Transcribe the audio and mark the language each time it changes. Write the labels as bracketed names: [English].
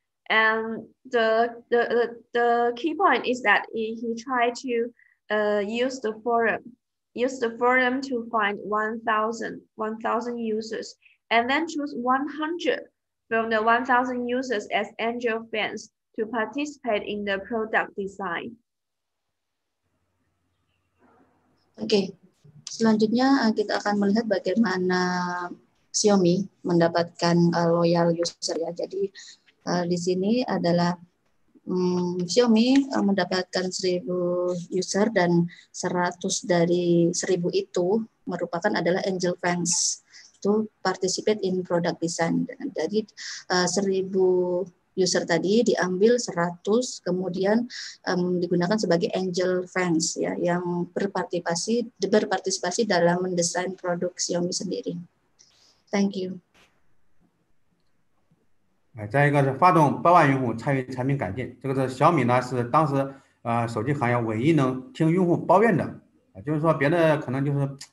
[English] And the key point is that he tried to use the forum to find 1000 users. And then choose 100 from the 1,000 users as Android fans to participate in the product design. [Indonesian] Okay, selanjutnya kita akan melihat bagaimana Xiaomi mendapatkan loyal user ya. Jadi di sini adalah Xiaomi mendapatkan 1,000 user dan 100 dari 1,000 itu merupakan adalah Angel fans. [English] To participate in product design. [Indonesian] Jadi 1,000 user tadi diambil 100 kemudian digunakan sebagai angel fans ya yang berpartisipasi dalam mendesain produk Xiaomi sendiri. [English] Thank you. [Chinese] 再一个是发动8万用户参与产品改进，这个是小米呢是当时手机行业唯一能听用户抱怨的，就是说别的可能就是。